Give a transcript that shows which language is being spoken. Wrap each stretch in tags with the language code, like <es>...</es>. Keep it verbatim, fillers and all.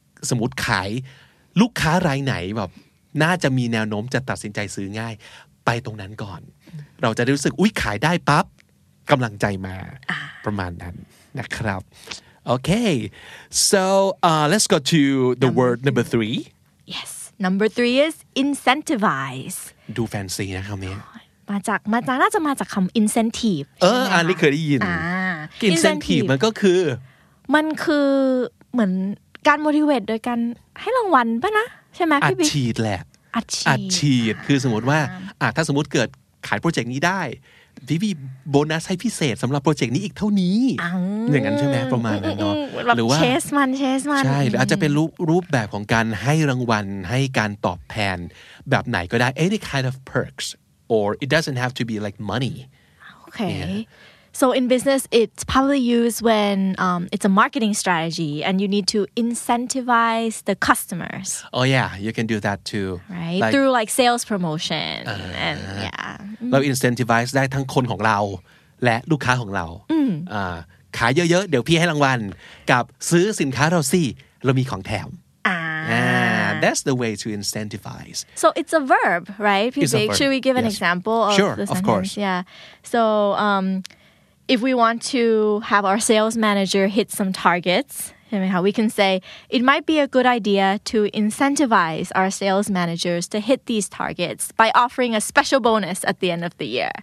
<th>สมมุติขายลูกค้ารายไหนแบบน่าจะมีแนวโน้มจะตัดสินใจซื้อง่ายไปตรงนั้นก่อนเราจะได้รู้สึกอุ๊ยขายได้ปั๊บกำลังใจมาประมาณนั้นนะครับ</th> <en>okay so uh, let's go to the number word number three yes number three is incentivize</en> <th>ดูแฟนซีนะคำนี้ มาจากมาจากน่าจะมาจากคำ incentive เอออันนี้เคยได้ยิน incentive มันก็คือ มันคือเหมือนการ motivate โดยการให้รางวัลป่ะนะใช่ไหม อั พี่ บิ๊กอัดฉีดแหละ อั ดฉีดคือสมมติว่าอ่ะถ้าสมมติเกิดขายโปรเจกต์นี้ได้พี่พี่โบนัสให้พิเศษสำหรับโปรเจกต์นี้อีกเท่านี้อย่างนั้นใช่ไหมประมาณนั้นเนาะ หรือว่าเชสมันเชสมัน ใช่หรืออาจจะเป็นรูปรูปแบบของการให้รางวัลให้การตอบแทนแบบไหนก็ได้</th> <en>any kind of perks or it doesn't have to be like money okay yeah. So in business, it's probably used when um, it's a marketing strategy and you need to incentivize the customers. Oh yeah, you can do that too. Right? Like, through like sales promotion uh, and yeah.</en> <th>เรา incentivize ได้ทั้งคนของเราและลูกค้าของเราอ่าขายเยอะๆเดี๋ยวพี่ให้รางวัลกับซื้อสินค้าเราสิเรามีของแถม อ่า</th> <en>That's the way to incentivize. So it's a verb, right? It's a verb. Should we give an yes. example of sure, the sentence? Of course. Yeah. So um,If we want to have our sales manager hit some targets, we can say, it might be a good idea to incentivize our sales managers to hit these targets by offering a special bonus at the end of the year.</en>